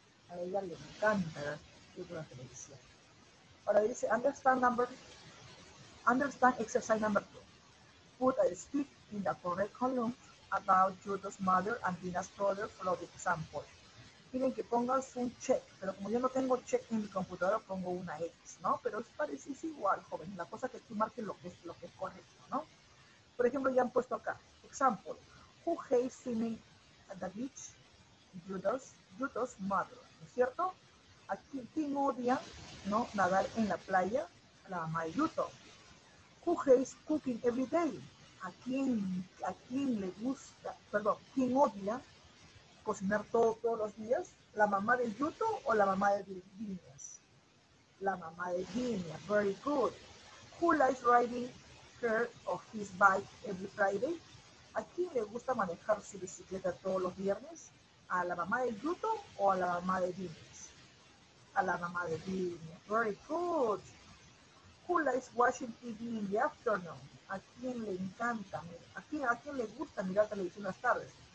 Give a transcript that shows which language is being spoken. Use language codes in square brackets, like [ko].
[es] A ella le encanta ver fútbol en la televisión. Ahora dice, [en] understand exercise number two. Put a stick in the correct column about Judo's mother and Dina's brother for the example. [es] Tienen que pongas un check, pero como yo no tengo check en mi computadora, pongo una X, ¿no? Pero es parecido igual, joven. La cosa que tú marques lo que es correcto, ¿no? Por ejemplo, ya han puesto acá, [en] example, who hates swimming at the beach? Judo's mother, [es] ¿no es cierto? Aquí, ¿quién odia, ¿no? Nadar en la playa, la mamá de Judo. [en] Who hates cooking every day? [es] ¿A quién le gusta, perdón, quién odia cocinar todos los días? ¿La mamá de Yuto o la mamá de Virginia? La mamá de Virginia, [en] very good. Who likes riding her or his bike every Friday? [es] ¿A quién le gusta manejar su bicicleta todos los viernes? ¿A la mamá de Yuto o a la mamá de Virginia? A la mamá de Virginia, [en] very good. Who likes watching TV in the afternoon? [es] ¿A quién le gusta mirar televisión las tardes?